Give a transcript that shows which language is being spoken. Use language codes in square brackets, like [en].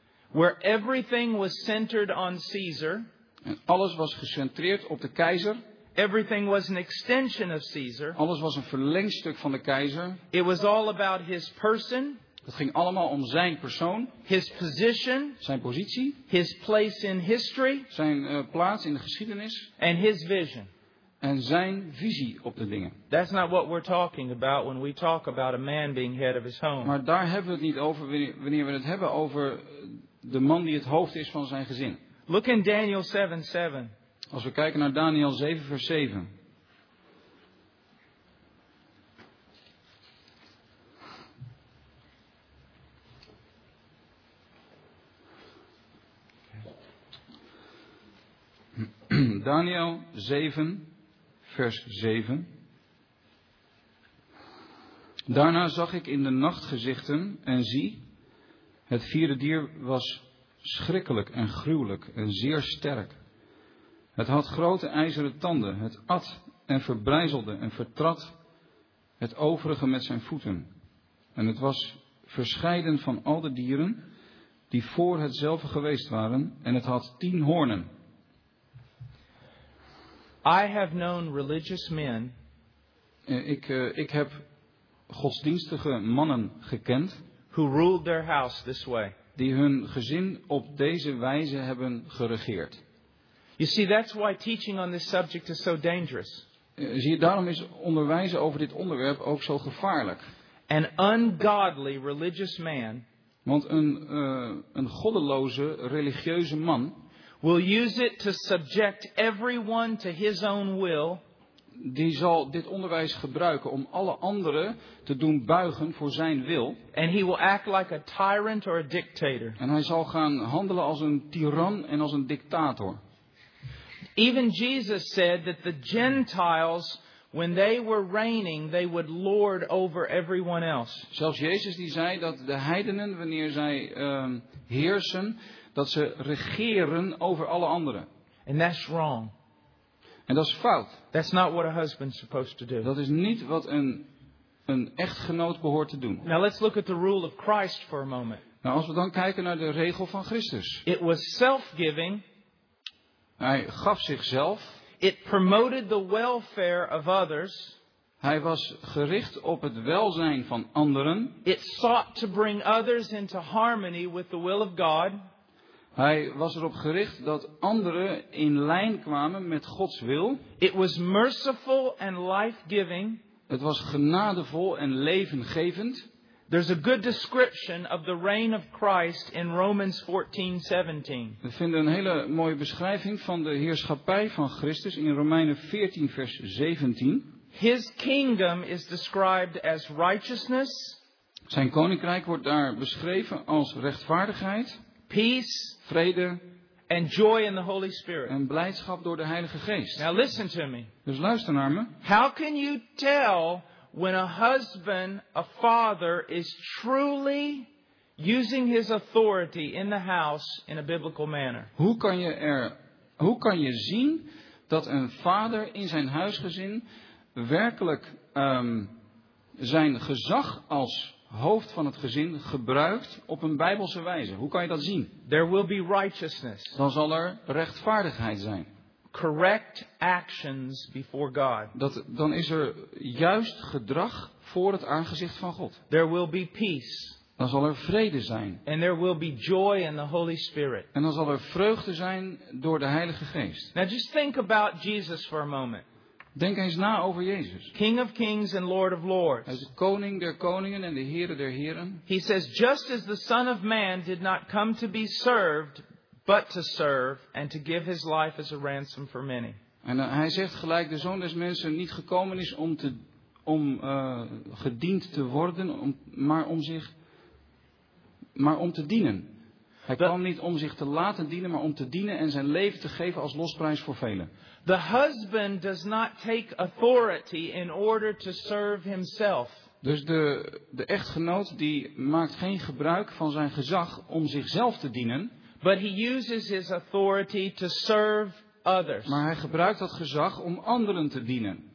[en] Where everything was centered on Caesar. [nl] En alles was gecentreerd op de keizer. [en] Everything was an extension of Caesar. [nl] Alles was een verlengstuk van de keizer. [en] It was all about his person. [nl] Het ging allemaal om zijn persoon. [en] His position. [nl] Zijn positie. [en] His place in history. [nl] Zijn plaats in de geschiedenis. [en] And his vision. [nl] En zijn visie op de dingen. [en] That's not what we're talking about when we talk about a man being head of his home. [nl] Maar daar hebben we het niet over wanneer we het hebben over de man die het hoofd is van zijn gezin. [en] Look in Daniel 7:7. [nl] Als we kijken naar Daniel 7 vers 7. Daniel 7 vers 7. Daarna zag ik in de nacht gezichten en zie, het vierde dier was schrikkelijk en gruwelijk en zeer sterk. Het had grote ijzeren tanden, het at en verbrijzelde en vertrad het overige met zijn voeten. En het was verscheiden van al de dieren die voor hetzelfde geweest waren en het had 10 hoornen. [en] I have known religious men. [nl] Ik heb godsdienstige mannen gekend. [en] Who ruled their house this way. [nl] Die hun gezin op deze wijze hebben geregeerd. [en] You see, that's why teaching on this subject is so dangerous. [nl] Zie je, daarom is onderwijzen over dit onderwerp ook zo gevaarlijk. [en] An ungodly religious man. [nl] Want een goddeloze religieuze man. [en] Will use it to subject everyone to his own will. [nl] Die zal dit onderwijs gebruiken om alle anderen te doen buigen voor zijn wil. [en] And he will act like a tyrant or a dictator. [nl] En hij zal gaan handelen als een tiran en als een dictator. [en] Even Jesus said that the Gentiles, when they were reigning, they would lord over everyone else. [nl] Zelfs Jezus die zei dat de heidenen, wanneer zij heersen, dat ze regeren over alle anderen. [en] And that's wrong. [nl] En dat is fout. [en] That's not what a husband's supposed to do. [nl] Dat is niet wat een echtgenoot behoort te doen. [en] Now let's look at the rule of Christ for a moment. [nl] Nou, als we dan kijken naar de regel van Christus. [en] It was self-giving. [nl] Hij gaf zichzelf. [en] It promoted the welfare of others. [nl] Hij was gericht op het welzijn van anderen. [en] It sought to bring others into harmony with the will of God. [nl] Hij was erop gericht dat anderen in lijn kwamen met Gods wil. [en] It was merciful and life-giving. [nl] Het was genadevol en levengevend. [en] There's a good description of the reign of Christ in Romans 14:17. [nl] We vinden een hele mooie beschrijving van de heerschappij van Christus in Romeinen 14 vers 17. [en] His kingdom is described as righteousness. [nl] Zijn koninkrijk wordt daar beschreven als rechtvaardigheid. [en] Peace, [nl] vrede, [en] and joy in the Holy Spirit. [nl] En blijdschap door de Heilige Geest. [en] Now listen to me. [nl] Dus luister naar me. [en] How can you tell when a husband, a father, is truly using his authority in the house in a biblical manner? [nl] Hoe kan je zien dat een vader in zijn huisgezin werkelijk zijn gezag als hoofd van het gezin gebruikt op een bijbelse wijze? Hoe kan je dat zien? [en] There will be righteousness. [nl] Dan zal er rechtvaardigheid zijn. [en] Correct actions before God. [nl] Dan is er juist gedrag voor het aangezicht van God. [en] There will be peace. [nl] Dan zal er vrede zijn. [en] And there will be joy in the Holy Spirit. [nl] En dan zal er vreugde zijn door de Heilige Geest. [en] Now just think about Jesus for a moment. [nl] Denk eens na over Jezus. [en] King of kings and Lord of lords. [nl] Hij is de koning der koningen en de Heere der heren. [en] He says, just as the Son of Man did not come to be served, but to serve and to give his life as a ransom for many. [nl] En hij zegt gelijk, de Zoon des Mensen niet gekomen is om gediend te worden, maar om te dienen. Hij kwam niet om zich te laten dienen, maar om te dienen en zijn leven te geven als losprijs voor velen. [en] The husband does not take authority in order to serve himself. [nl] Dus de echtgenoot die maakt geen gebruik van zijn gezag om zichzelf te dienen. [en] But he uses his authority to serve others. [nl] Maar hij gebruikt dat gezag om anderen te dienen.